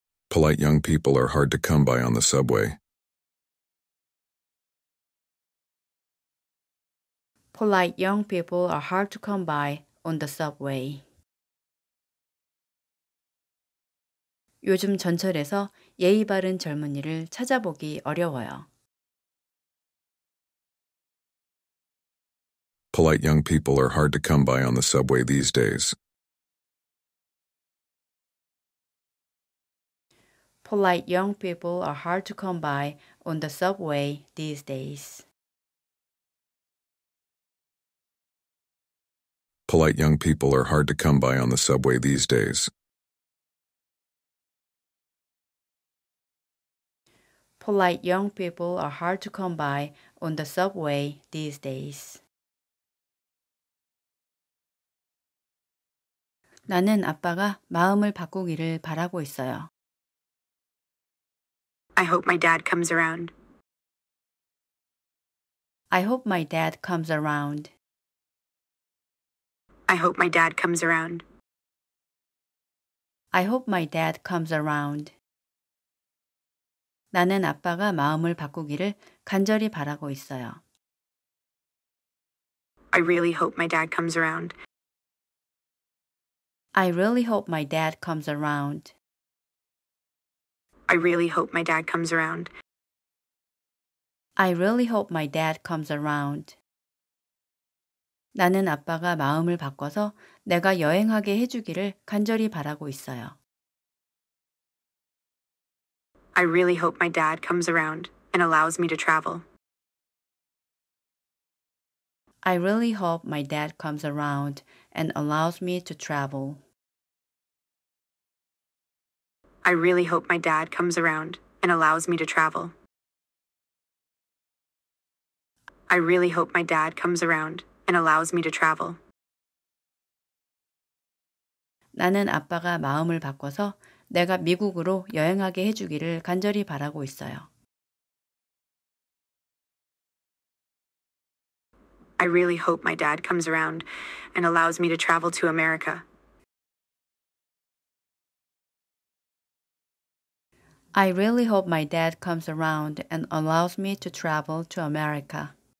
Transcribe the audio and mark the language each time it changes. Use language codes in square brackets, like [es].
[en] Polite young people are hard to come by on the subway. Polite young people are hard to come by on the subway. [ko] 요즘 전철에서 예의 바른 젊은이를 찾아보기 어려워요. [en] Polite young people are hard to come by on the subway these days. Polite young people are hard to come by on the subway these days. Polite young people are hard to come by on the subway these days. Polite young people are hard to come by on the subway these days. [ko] 나는 아빠가 마음을 바꾸기를 바라고 있어요. [en] I hope my dad comes around. I hope my dad comes around. I hope my dad comes around. I hope my dad comes around. [ko] 나는 아빠가 마음을 바꾸기를 간절히 바라고 있어요. [en] I really hope my dad comes around. I really hope my dad comes around. I really hope my dad comes around. I really hope my dad comes around. [ko] 나는 아빠가 마음을 바꿔서 내가 여행하게 해주기를 간절히 바라고 있어요. [en] I really hope my dad comes around and allows me to travel. I really hope my dad comes around and allows me to travel. I really hope my dad comes around and allows me to travel. I really hope my dad comes around and allows me to travel. [ko] 나는 아빠가 마음을 바꿔서 내가 미국으로 여행하게 해주기를 간절히 바라고 있어요. [en] I really hope my dad comes around and allows me to travel to America. I really hope my dad comes around and allows me to travel to America.